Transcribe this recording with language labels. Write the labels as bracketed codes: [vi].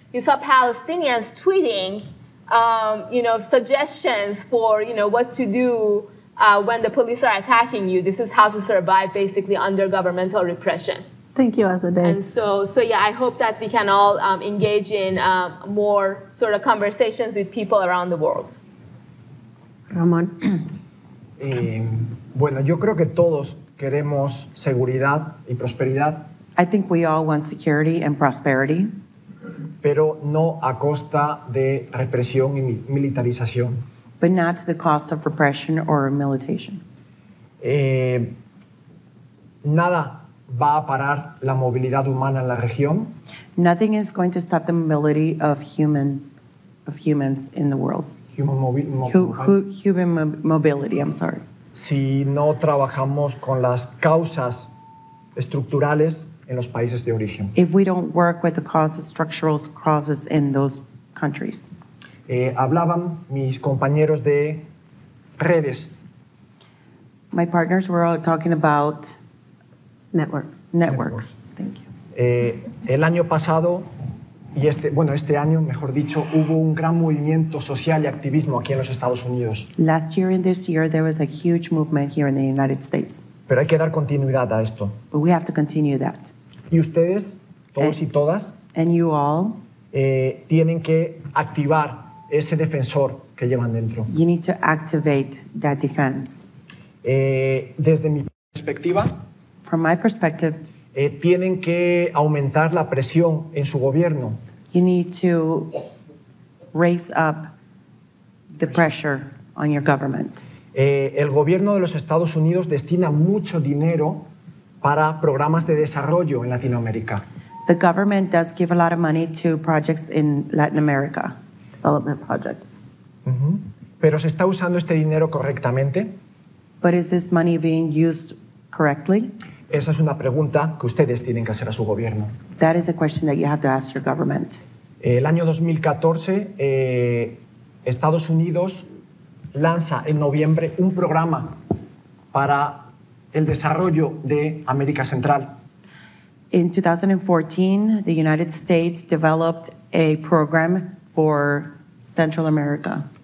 [en] You saw Palestinians tweeting, you know, suggestions for, you know, what to do when the police are attacking you. This is how to survive basically under governmental repression. Thank you, Azadeh. And so yeah, I hope that we can all engage in more sort of conversations with people around the world. Ramon. [es] Bueno, yo creo que todos queremos seguridad y prosperidad. [en] I think we all want security and prosperity. [es] Pero no a costa de represión y militarización. [en] But not to the cost of repression or militation. [es] Nada va a parar la movilidad humana en la región. [en] Nothing is going to stop the mobility of humans in the world. Human mobility, I'm sorry. [es] Si no trabajamos con las causas estructurales en los países de origen. [en] If we don't work with the causes, structural causes in those countries. [es] Hablaban mis compañeros de redes. [en] My partners were all talking about Networks. Thank you. [es] El año pasado y este año, mejor dicho, hubo un gran movimiento social y activismo aquí en los Estados Unidos. [en] Last year and this year there was a huge movement here in the United States. [es] Pero hay que dar continuidad a esto. [en] But we have to continue that. [es] Y ustedes, todos y todas, [en] and you all, [es] tienen que activar ese defensor que llevan dentro. [en] You need to activate that defense. [es] Desde mi perspectiva. [en] From my perspective, [es] tienen que aumentar la presión en su gobierno. [en] You need to raise up the pressure on your government. [es] El gobierno de los Estados Unidos destina mucho dinero para programas de desarrollo en Latinoamérica. [en] The government does give a lot of money to projects in Latin America, development projects. [es] Uh-huh. Pero ¿se está usando este dinero correctamente? [en] But is this money being used correctly? [es] Esa es una pregunta que ustedes tienen que hacer a su gobierno. [en] That is a question that you have to ask your government. [es] El año 2014, Estados Unidos lanza en noviembre un programa para el desarrollo de América Central. [en] In 2014, the United States developed a program for Central America.